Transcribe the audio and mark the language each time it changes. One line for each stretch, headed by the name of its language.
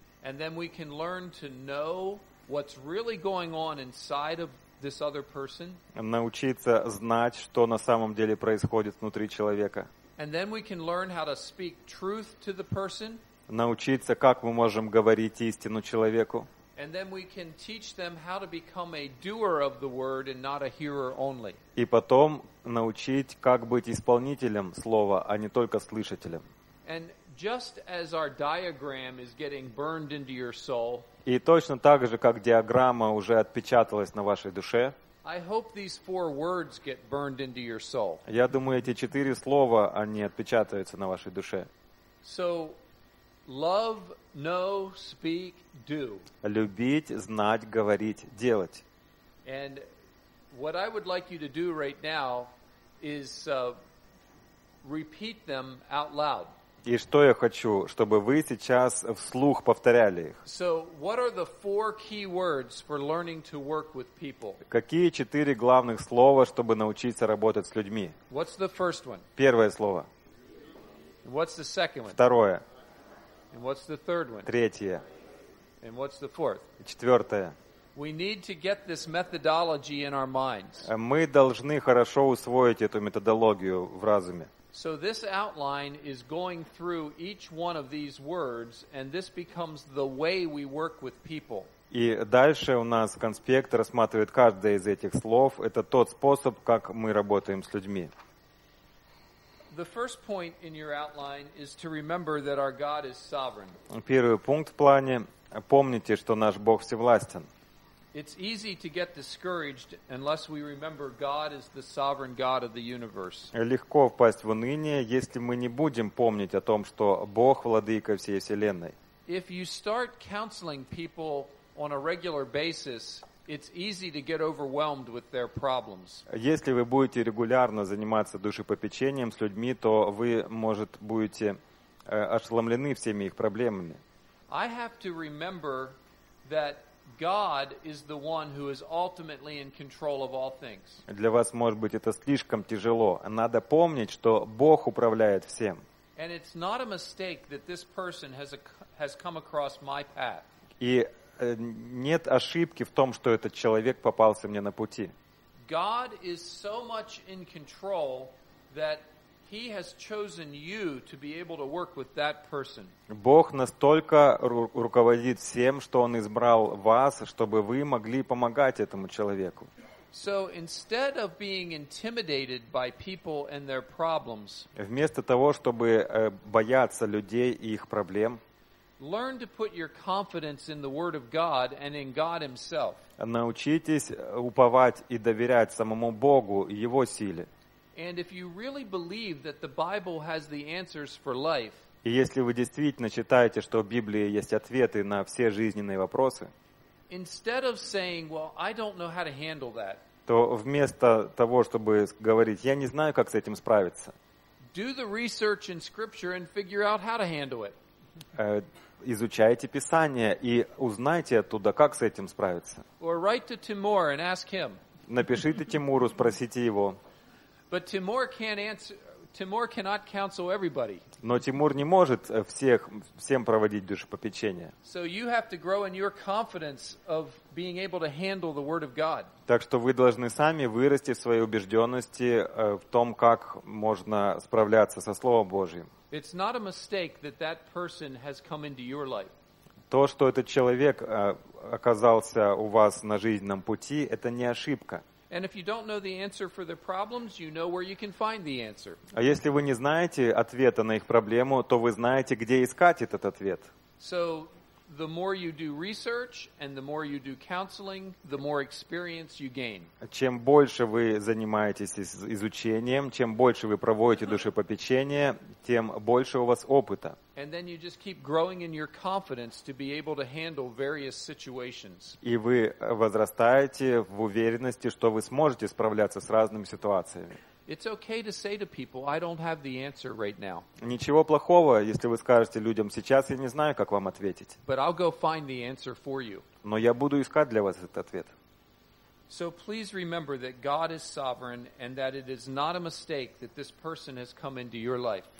English: And then we can learn to know what's really going on inside of this other person.
Russian: Научиться знать, что на самом деле происходит внутри человека.
English: And then we can learn how to speak truth to the person.
Russian: Научиться, как мы можем говорить истину человеку.
English: And then we can teach them how to become a doer of the word and not a hearer only.
Russian: И потом научить, как быть исполнителем слова, а не только слышателем.
English: And just as our diagram is getting burned into your soul,
Russian: и точно так же, как диаграмма уже отпечаталась на вашей душе,
English: I hope these four words get burned into your soul.
Russian: Я думаю, эти четыре слова, они отпечатаются на вашей душе.
English: So, love, know, speak, do.
Russian: Любить, знать, говорить, делать.
English: And what I would like you to do right now is repeat them out loud.
Russian: И что я хочу, чтобы вы сейчас вслух повторяли их.
English: So, what are the four key words for learning to work with people?
Russian: Какие четыре главных слова, чтобы научиться работать с людьми?
English: What's the first one?
Russian: Первое слово.
English: What's the second one?
Russian: Второе.
English: And what's the third one?
Russian: Третье.
English: And what's the fourth?
Russian: Четвертое.
English: We need to get this methodology in our minds.
Russian: Мы должны хорошо усвоить эту методологию в разуме.
English: So this outline is going through each one of these words, and this becomes the way we work with people.
Russian: И дальше у нас конспект рассматривает каждое из этих слов. Это тот способ, как мы работаем с людьми.
English: The first point in your outline is to remember that our God is sovereign.
Russian: Первый пункт в плане – помните, что наш Бог всевластен.
English: It's easy to get discouraged unless we remember God is the sovereign God of the universe.
Russian: Легко впасть в уныние, если мы не будем помнить о том, что Бог владыка всей вселенной.
English: If you start counseling people on a regular basis, it's easy to get overwhelmed with their problems.
Russian: Если вы будете регулярно заниматься душепопечением с людьми, то вы, может, будете ошеломлены всеми их проблемами.
English: I have to remember that God is the one who is ultimately in control of all things.
Russian: Для вас, может быть, это слишком тяжело. Надо помнить, что Бог управляет всем.
English: And it's not a mistake that this person has come across my path.
Russian: И нет ошибки в том, что этот человек попался мне на пути.
English: God is so much in control that He has chosen you to be able to work with that person.
Russian: Бог настолько руководит всем, что Он избрал вас, чтобы вы могли помогать этому человеку.
English: So instead of being intimidated by people and their problems,
Russian: вместо того, чтобы бояться людей и их проблем,
English: learn to put your confidence in the Word of God and in God Himself.
Russian: Научитесь уповать и доверять самому Богу и Его силе.
English: And if you really believe that the Bible has the answers for life,
Russian: и если вы действительно считаете, что в Библии есть ответы на все жизненные вопросы,
English: instead of saying, "Well, I don't know how to handle that,"
Russian: то вместо того, чтобы говорить, я не знаю, как с этим справиться,
English: do the research in Scripture and figure out how to handle it.
Russian: Изучайте Писание и узнайте оттуда, как с этим справиться.
English: Or write to Timur and ask him.
Russian: Напишите Тимуру, спросите его.
English: But Timur can't answer. Timur cannot counsel everybody.
Russian: Но Тимур не может всем проводить душепопечение.
English: So you have to grow in your confidence of being able to handle the Word of God.
Russian: Так что вы должны сами вырасти в своей убежденности в том, как можно справляться со Словом Божьим.
English: It's not a mistake that that person has come into your life.
Russian: То, что этот человек оказался у вас на жизненном пути, это не ошибка.
English: And if you don't know the answer for their problems, you know where you can find the answer.
Russian: А если вы не знаете ответа на их проблему, то вы знаете, где искать этот ответ.
English: So the more you do research and the more you do counseling, the more experience you gain.
Russian: Чем больше вы занимаетесь изучением, чем больше вы проводите душепопечение, тем больше у вас опыта.
English: And then you just keep growing in your confidence to be able to handle various situations.
Russian: И вы возрастаете в уверенности, что вы сможете справляться с разными ситуациями.
English: It's okay to say to people, I don't have the answer right now.
Russian: Ничего плохого, если вы скажете людям, сейчас я не знаю, как вам ответить.
English: But I'll go find the answer for you.
Russian: Но я буду искать для вас этот ответ.
English: So please remember that God is sovereign and that it is not a mistake that this person has come into your life.